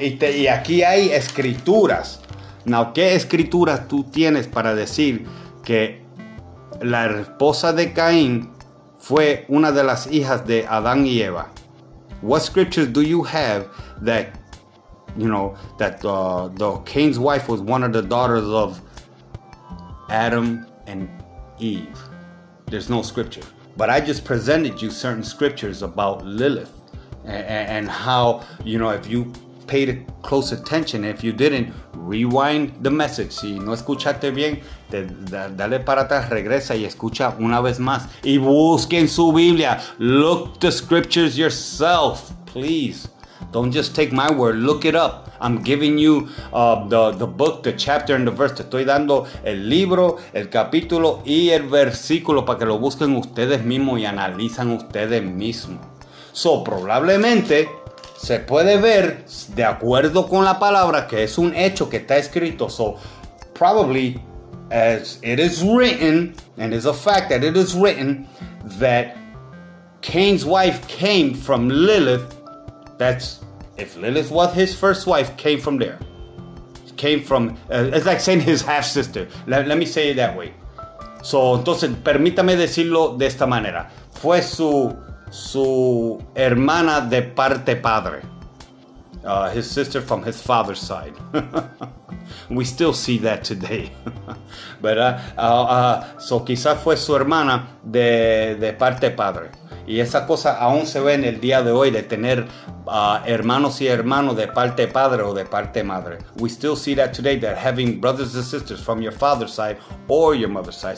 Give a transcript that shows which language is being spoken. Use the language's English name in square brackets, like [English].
[Spanish] Y aquí hay escrituras. Now, ¿qué escrituras tú tienes para decir que la esposa de Caín fue una de las hijas de Adán y Eva? [English] What scriptures do you have that, you know, that the Cain's wife was one of the daughters of Adam and Eve? There's no scripture. But I just presented you certain scriptures about Lilith and how, you know, if you paid close attention, if you didn't, rewind the message. [Spanish] Si no escuchaste bien, dale para atrás, regresa y escucha una vez más. Y busque en su Biblia. [English] Look the scriptures yourself, please. Don't just take my word. Look it up. I'm giving you the book, the chapter, and the verse. [Spanish] Te estoy dando el libro, el capítulo y el versículo para que lo busquen ustedes mismos y analizan ustedes mismos. [English] So, [Spanish] probablemente se puede ver, de acuerdo con la palabra, que es un hecho que está escrito. [English] So, probably, as it is written, and it's a fact that it is written, that Cain's wife came from Lilith. That's, if Lilith was his first wife, came from there. Came from, it's like saying his half-sister. Let me say it that way. So, [Spanish] entonces, permítame decirlo de esta manera. Fue su hermana de parte padre. [English] His sister from his father's side. We still see that today. [Spanish] ¿Verdad? [English] So [Spanish] quizás fue su hermana de parte padre. Y esa cosa aún se ve en el día de hoy, de tener hermanos y hermanos de parte padre o de parte madre. [English] We still see that today, that having brothers and sisters from your father's side or your mother's side.